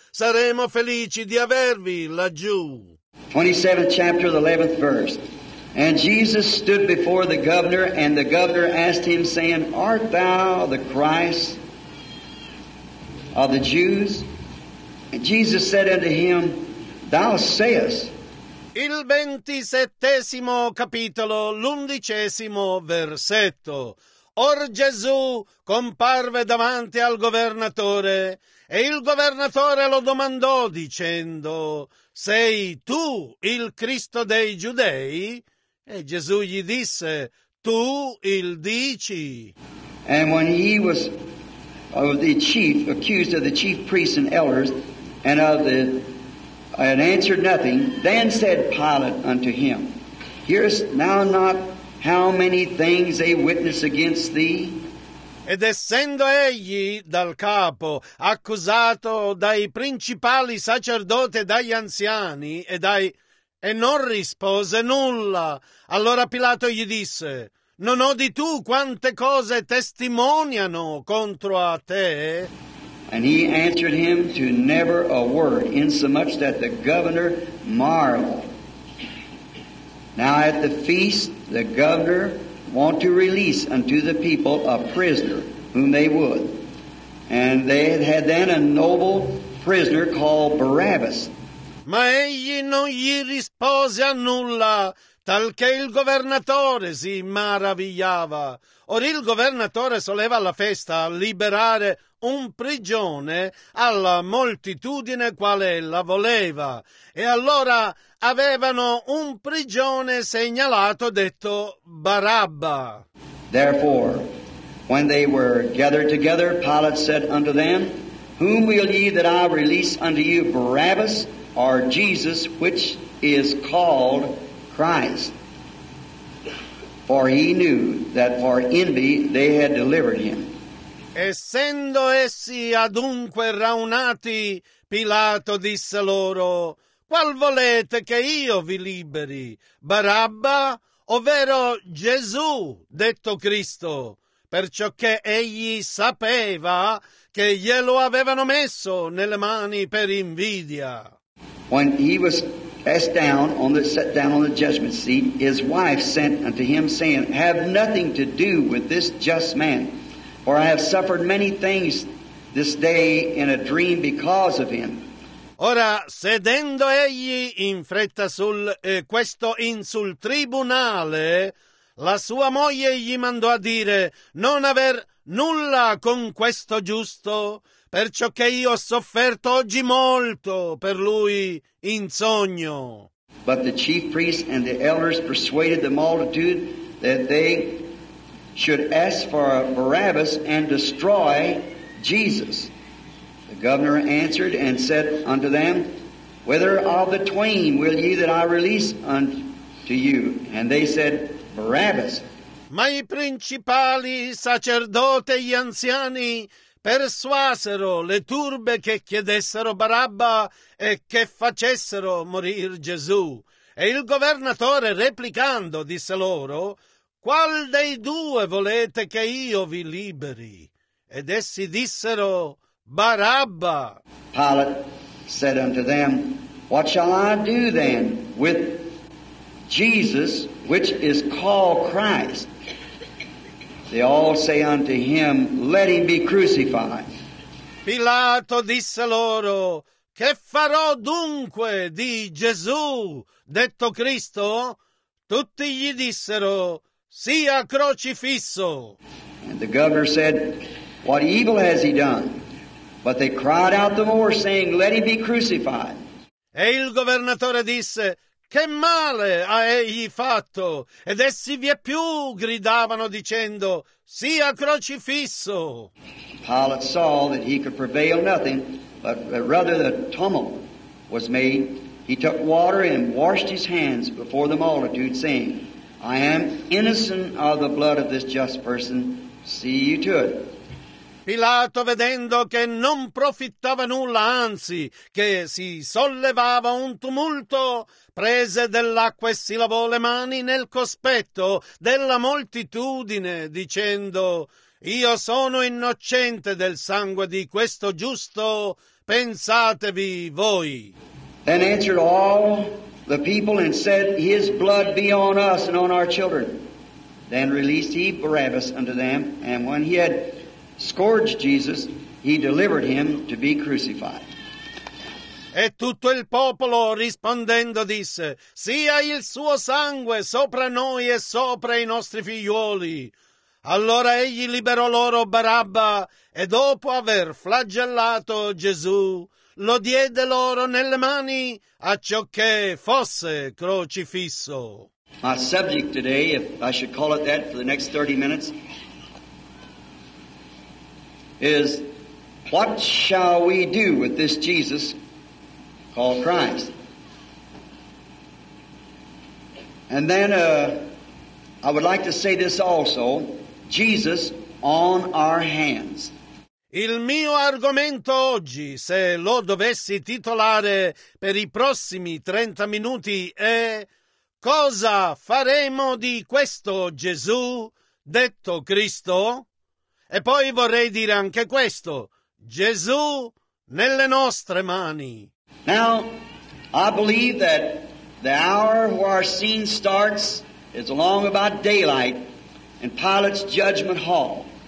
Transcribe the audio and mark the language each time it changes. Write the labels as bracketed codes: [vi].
[it] Saremo felici di avervi laggiù. [en] 27th chapter, the 11th verse. And Jesus stood before the governor, and the governor asked him, saying, art thou the Christ of the Jews? And Jesus said unto him, thou sayest. [it] Il 27° capitolo, l'11° versetto. Or Gesù comparve davanti al governatore, e il governatore lo domandò, dicendo: «Sei tu il Cristo dei Giudei?» E Gesù gli disse: «Tu il dici». [en] And when he was the chief, accused of the chief priests and elders, and of the and answered nothing, then said Pilate unto him, Hearest thou not how many things they witness against thee? [it] Ed essendo egli dal capo accusato dai principali sacerdoti, dagli anziani e dai... E non rispose nulla. Allora Pilato gli disse: Non odi tu quante cose testimoniano contro a te? [en] And he answered him to never a word, insomuch that the governor marveled. Now at the feast the governor want to release unto the people a prisoner whom they would. And they had then a noble prisoner called Barabbas. [it] Ma egli non gli rispose a nulla, talché il governatore si maravigliava. Or il governatore soleva alla festa liberare un prigione alla moltitudine quale la voleva. E allora avevano un prigione segnalato detto Barabba. [en] Therefore, when they were gathered together, Pilate said unto them, Whom will ye that I release unto you, Barabbas or Jesus, which is called Christ? For he knew that for envy they had delivered him. [it] Essendo essi adunque raunati, Pilato disse loro: Qual volete che io vi liberi, Barabba, ovvero Gesù, detto Cristo? Perciò che egli sapeva che glielo avevano messo nelle mani per invidia. [en] When he was cast down on the set down on the judgment seat, his wife sent unto him, saying, Have nothing to do with this just man, for I have suffered many things this day in a dream because of him. [it] Ora, sedendo egli in fretta sul questo in sul tribunale, la sua moglie gli mandò a dire: Non aver nulla con questo giusto, perciò che io ho sofferto oggi molto per lui in sogno. [en] But the chief priests and the elders persuaded the multitude that they should ask for Barabbas and destroy Jesus. The governor answered and said unto them, Whether of the twain will ye that I release unto you? And they said, Barabbas. [it] Ma i principali sacerdoti e gli anziani persuasero le turbe che chiedessero Barabba e che facessero morir Gesù. E il governatore, replicando, disse loro: Qual dei due volete che io vi liberi? Ed essi dissero: Barabba. [en] Pilate said unto them, What shall I do then with Jesus, which is called Christ? They all say unto him, Let him be crucified. [it] Pilato disse loro: Che farò dunque di Gesù, detto Cristo? Tutti gli dissero: Sia crocifisso. [en] And the governor said, What evil has he done? But they cried out the more, saying, Let him be crucified. [it] E il governatore disse: Che male ha egli fatto? Ed essi vieppiù gridavano dicendo: Sia crocifisso. [en] Pilate saw that he could prevail nothing, but rather the tumult was made. He took water and washed his hands before the multitude, saying, I am innocent of the blood of this just person. See you to it. [it] Pilato, vedendo che non profittava nulla, anzi che si sollevava un tumulto, prese dell'acqua e si lavò le mani nel cospetto della moltitudine, dicendo: Io sono innocente del sangue di questo giusto, pensatevi voi. [en] Then answered all the people and said, His blood be on us and on our children. Then released he Barabbas unto them, and when he had scourged Jesus, he delivered him to be crucified. [it] E tutto il popolo rispondendo disse: sia il suo sangue sopra noi e sopra i nostri figlioli. Allora egli liberò loro Barabba e dopo aver flagellato Gesù, lo diede loro nelle mani a ciò che fosse crocifisso. [en] My subject today, if I should call it that for the next 30 minutes, is what shall we do with this Jesus called Christ? And then I would like to say this also, Jesus on our hands. [it] Il mio argomento oggi, se lo dovessi titolare per i prossimi 30 minuti, è cosa faremo di questo Gesù, detto Cristo? E poi vorrei dire anche questo, Gesù nelle nostre mani. [en] Now, I believe that the hour where our scene starts is along about daylight in Pilate's judgment hall.